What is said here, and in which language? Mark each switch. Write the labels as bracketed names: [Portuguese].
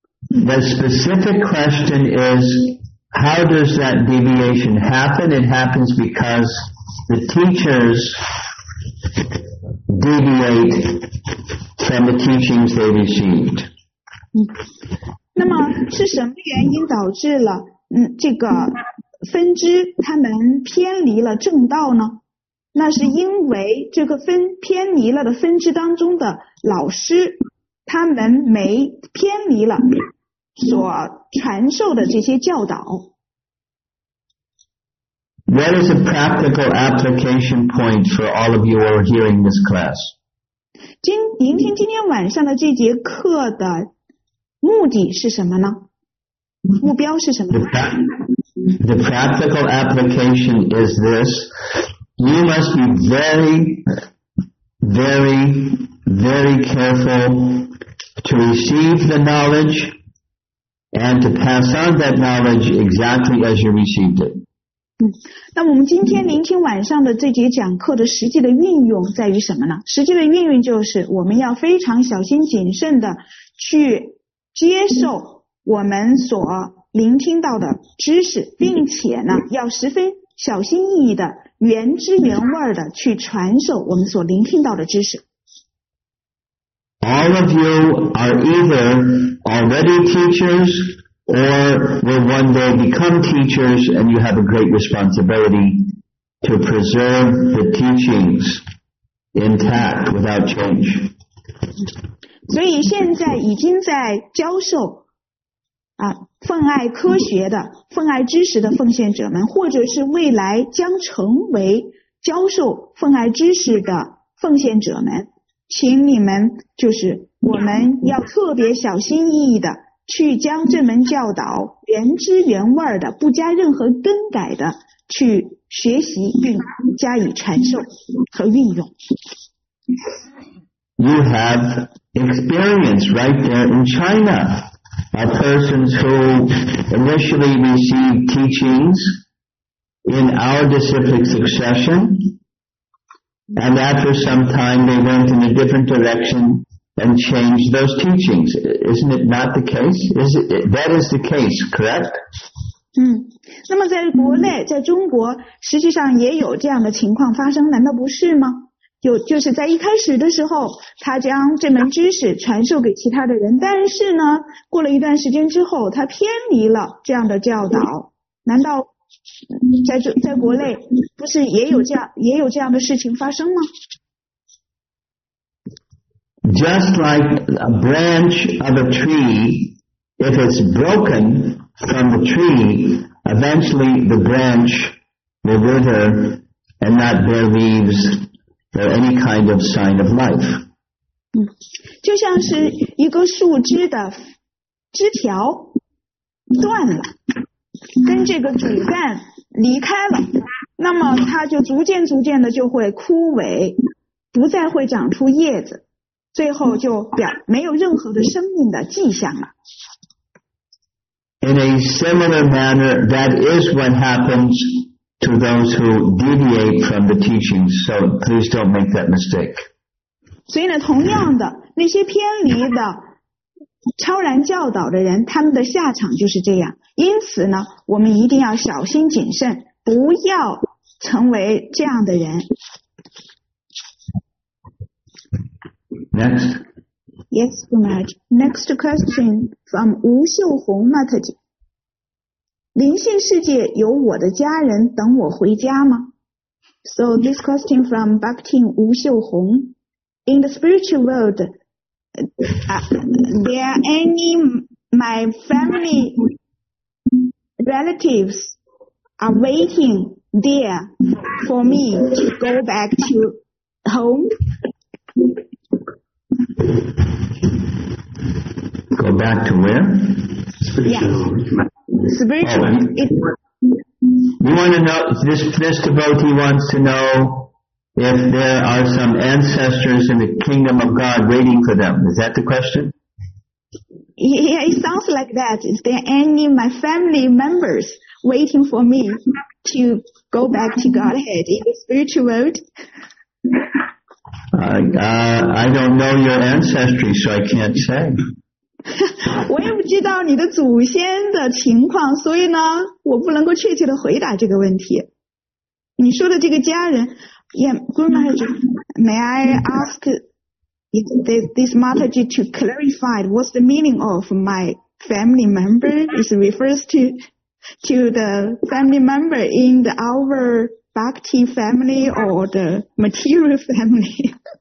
[English] The specific question is, how does that deviation happen? It happens because the teachers deviate from the teachings they received. [Chinese] 那么是什么原因导致了这个分支他们偏离了正道呢？那是因为这个偏离了的分支当中的老师他们没偏离了所传授的这些教导。 [English] What is a practical application point for all of you who are hearing this class? [Chinese] 聆听今天晚上的这节课的目的是什么呢？目标是什么？ [English] The practical application is this. You must be very, very, very careful to receive the knowledge and to pass on that knowledge exactly as you received it. [Chinese] 那我们今天聆听晚上的这节讲课的实际的运用在于什么呢？实际的运用就是我们要非常小心谨慎的去接受我们所聆听到的知识，并且呢，要十分小心翼翼的原汁原味的去传授我们所聆听到的知识。 [English] All of you are either already teachers, or will one day become teachers, and you have a great responsibility to preserve the teachings intact without change. [Chinese] 所以现在已经在教授奉爱科学的、奉爱知识的奉献者们，或者是未来将成为教授奉爱知识的奉献者们，请你们就是我们要特别小心翼翼的去将这门教导原汁原味的、不加任何更改的去学习并加以传授和运用。 [English] You have experience right there in China. Are persons who initially received teachings in our disciplic succession, and after some time they went in a different direction and changed those teachings. Isn't it not the case? That is the case, correct? [Chinese] 那么在国内，在中国，实际上也有这样的情况发生，难道不是吗？就是在一开始的时候他将这门知识传授给其他的人，但是呢过了一段时间之后他偏离了这样的教导。难道在国内不是也有这样的事情发生吗？ [English] Just like a branch of a tree, if it's broken from the tree, eventually the branch will wither and not bear leavesOr any kind of sign of life. [Chinese] 就像是一个树枝的枝条断了，跟这个主干离开了，那么它就逐渐逐渐的就会枯萎，不再会长出叶子，最后就没有任何的生命的迹象了。 [English] In a similar manner, that is what happens. To those who deviate from the teachings, so please don't make that mistake. [Chinese] 所以呢，同样的，那些偏离的超然教导的人，他们的下场就是这样。因此呢，我们一定要小心谨慎，不要成为这样的人。 [English] Next. Yes, Gumaraj. Next question from 吴秀红 Mataji. [Chinese] 灵性世界有我的家人等我回家吗？ [English] So this question from Bhaktin 吴秀红。 In the spiritual world, there any my family relatives are waiting there for me to go back to home? Go back to where? Spiritual. You want to know, this devotee wants to know if there are some ancestors in the kingdom of God waiting for them. Is that the question? Yeah, it sounds like that. Is there any of my family members waiting for me to go back to Godhead in the spiritual world? I don't know your ancestry, so I can't say. [Chinese] 我也不知道你的祖先的情况，所以呢我不能够确切的回答这个问题。你说的这个家人 [English] Yeah, may I ask this Mataji to clarify what's the meaning of my family member? It refers to the family member in the our Bhakti family or the material family?